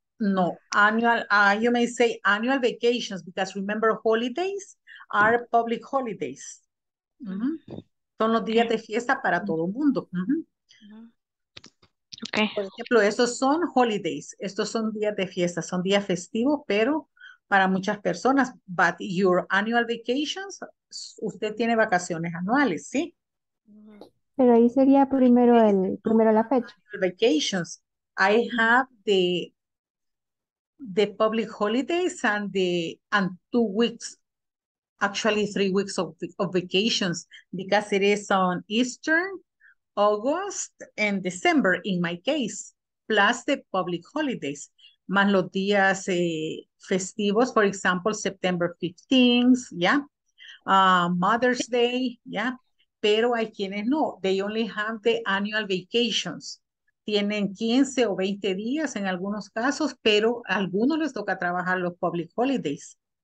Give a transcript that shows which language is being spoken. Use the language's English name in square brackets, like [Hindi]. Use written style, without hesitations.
[English] No, annual, you may say annual vacations because remember holidays are public holidays. Mm-hmm. [Spanish] Son los días de fiesta para todo mundo. Mm-hmm. [English] Okay. [Spanish] Por ejemplo, estos son holidays. Estos son días de fiesta, son días festivos, pero para muchas personas. [English] But your annual vacations, [Spanish] usted tiene vacaciones anuales, ¿sí? Pero ahí sería primero la fecha. [English] Vacations. I have the... the public holidays and the and 2 weeks, actually 3 weeks of vacations, because it is on Easter, August, and December in my case, plus the public holidays, [Spanish] más los días festivos, [English] for example, September 15th, Mother's Day, [Spanish] pero hay quienes no, [English] they only have the annual vacations. [Spanish] Tienen 15 o 20 días en algunos casos, pero a algunos les toca trabajar los public holidays.